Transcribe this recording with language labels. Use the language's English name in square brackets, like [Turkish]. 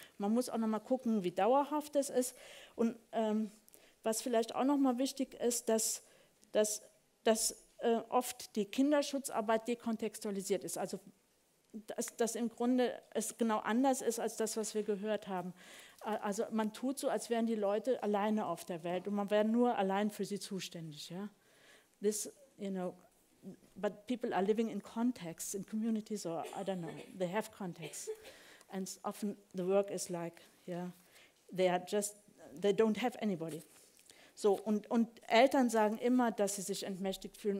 [German] Man muss auch nochmal gucken, wie dauerhaft das ist. Und was vielleicht auch nochmal wichtig ist, dass oft die Kinderschutzarbeit dekontextualisiert ist. Also dass im Grunde es genau anders ist als das, was wir gehört haben. Also man tut so, als wären die Leute alleine auf der Welt und man wäre nur allein für sie zuständig. Ja? [English] This, you know, but people are living in contexts, in communities, or I don't know, they have contexts. And often the work is like, yeah, they are just, they don't have anybody. [German] So, und Eltern sagen immer, dass sie sich entmächtigt fühlen.